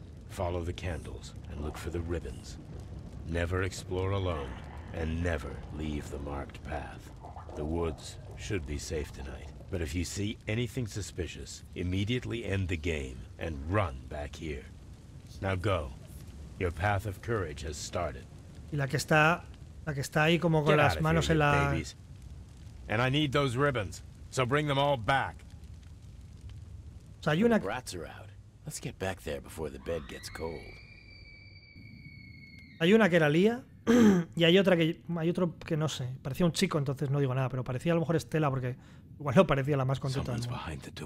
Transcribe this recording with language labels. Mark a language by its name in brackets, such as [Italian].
[English] Follow the candles and look for the ribbons. Never explore alone and never leave the marked path. The woods should be safe tonight, but if you see anything suspicious, immediately end the game and run back here. Now go. Your path of courage has started. [Spanish] Y la que está ahí como con las manos en la... [English] And I need those ribbons, so bring them all back. [Spanish] O sea, hay una... [English] The rats are out. Let's get back there before the bed gets cold. [Spanish] Hay una que era Lía. Y hay otra que hay otro que no sé, parecía un chico, entonces no digo nada, pero parecía a lo mejor Estela, porque igual no parecía la más contenta. Vale.